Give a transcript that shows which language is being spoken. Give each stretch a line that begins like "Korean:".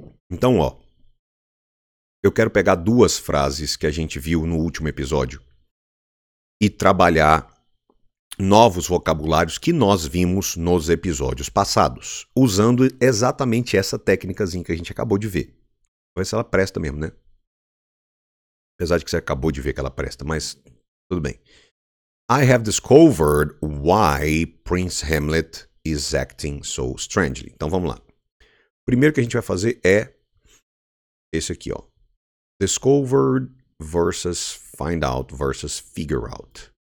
Portuguese: Então, ó. Eu quero pegar duas frases que a gente viu no último episódio e trabalhar novos vocabulários que nós vimos nos episódios passados, usando exatamente essa técnicazinha que a gente acabou de ver. Vamos ver se ela presta mesmo, né? Apesar de que você acabou de ver que ela presta, mas tudo bem.
English: I have discovered why Prince Hamlet is acting so strangely.
Portuguese: Então vamos lá. Primeiro que a gente vai fazer é esse aqui, ó.
English: Discovered versus find out versus figure out.